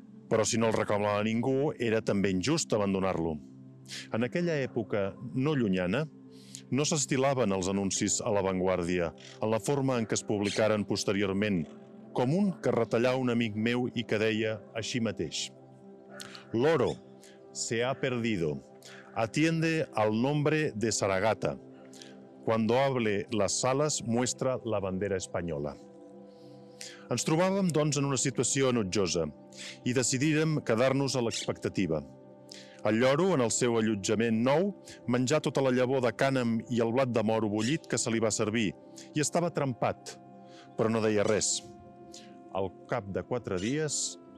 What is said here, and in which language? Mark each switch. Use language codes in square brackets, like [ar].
[ca] Però si no el reclamava ningú, era també injust abandonar-lo. En aquella època no llunyana, no s'estilaven els anuncis a La Vanguardia en la forma en què es publicaren posteriorment, com un que retallà un amic meu i que deia així mateix. [es] L'oro se ha perdido. Atiende al nombre de Saragata. Cuando hable las salas, muestra la bandera española. [ca] Ens trobàvem, doncs, en una situació enutjosa i decidírem quedar-nos a l'expectativa. El lloro, en el seu allotjament nou, menjà tota la llavor de cànem i el blat de moro bullit que se li va servir i estava trempat, però no deia res. Al cap de 4 dies,